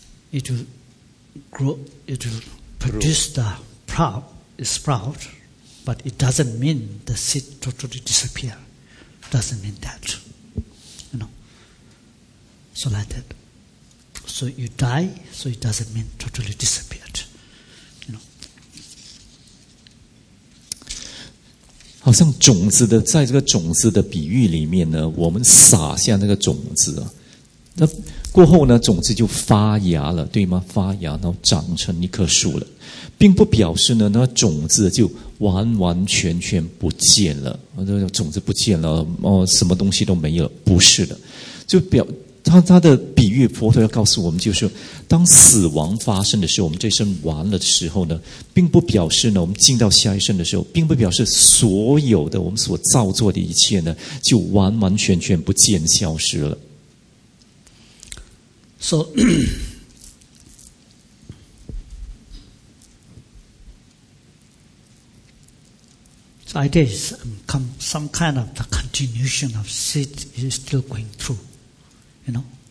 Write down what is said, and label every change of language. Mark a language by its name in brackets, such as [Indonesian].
[English] It will grow, it will produce the sprout, but it doesn't mean the seed totally disappear. Doesn't mean that. You know? So like that. So you die, so it doesn't mean totally disappeared. You know, [Chinese] 好像种子的，在这个种子的比喻里面呢，我们撒下那个种子啊，那过后呢，种子就发芽了，对吗？发芽，然后长成一棵树了，并不表示呢，那种子就完完全全不见了，那种子不见了，哦，什么东西都没有，不是的，就表。他的比喻，佛陀要告诉我们，就是当死亡发生的时候，我们这一生完了的时候呢，并不表示呢，我们进到下一生的时候，并不表示所有的我们所造作的一切呢，就完完全全不见消失了。 [English] So, so I guess some kind of the continuation of seed is still going through.You know,